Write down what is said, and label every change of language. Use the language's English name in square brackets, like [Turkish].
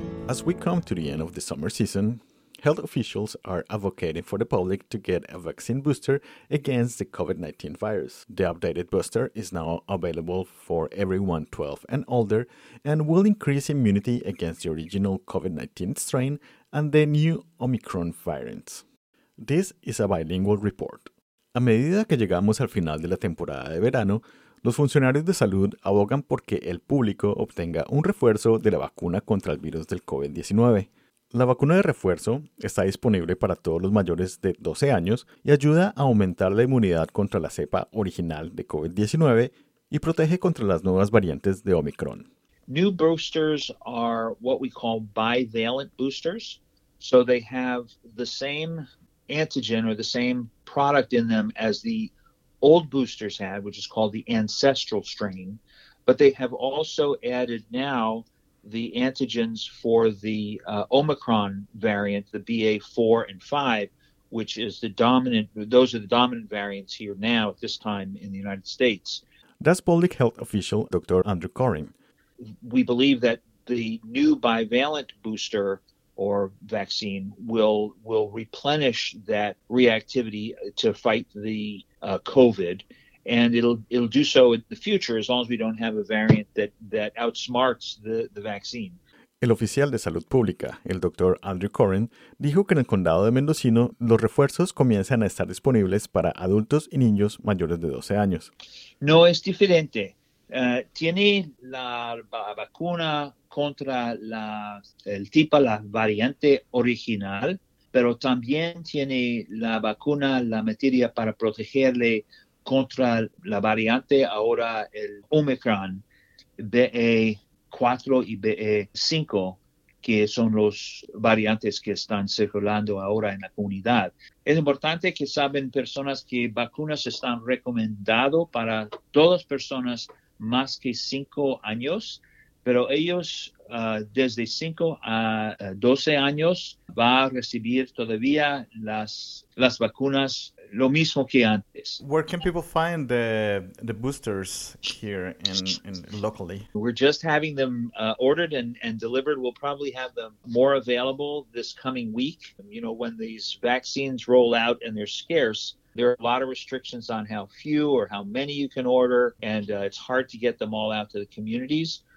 [English] As we come to the end of the summer season, health officials are advocating for the public to get a vaccine booster against the COVID-19 virus. The updated booster is now available for everyone 12 and older and will increase immunity against the original COVID-19 strain and the new Omicron variants. This is a bilingual report. [Spanish] A medida que llegamos al final de la temporada de verano, los funcionarios de salud abogan por que el público obtenga un refuerzo de la vacuna contra el virus del COVID-19. La vacuna de refuerzo está disponible para todos los mayores de 12 años y ayuda a aumentar la inmunidad contra la cepa original de COVID-19 y protege contra las nuevas variantes de Omicron. [English] New boosters are what we call bivalent boosters, so they have the same antigen or the same product in them as the old boosters had, which is called the ancestral strain, but they have also added now the antigens for the Omicron variant, the BA4 and 5, which is the dominant, those are the dominant variants here now at this time in the United States. That's public health official Dr. Andrew Corin. We believe that the new bivalent booster or vaccine will replenish that reactivity to fight the COVID, and it'll do so in the future as long as we don't have a variant that outsmarts the vaccine. [Spanish] El oficial de salud pública, el doctor Andrew Corin, dijo que en el condado de Mendocino los refuerzos comienzan a estar disponibles para adultos y niños mayores de 12 años. No es diferente. Tiene la vacuna contra la variante original, pero también tiene la vacuna, la materia para protegerle contra la variante ahora el Omicron, BA4 y BA5, que son los variantes que están circulando ahora en la comunidad. Es importante que saben personas que vacunas están recomendado para todas personas más que 5 años, pero ellos desde 5 a 12 años va a recibir todavía las vacunas lo mismo que antes. [English] Where can people find the boosters here in locally? We're just having them ordered and delivered. We'll probably have them more available this coming week. You know, when these vaccines roll out and they're scarce, there are a lot of restrictions on how few or how many you can order, and it's hard to get them all out to the communities.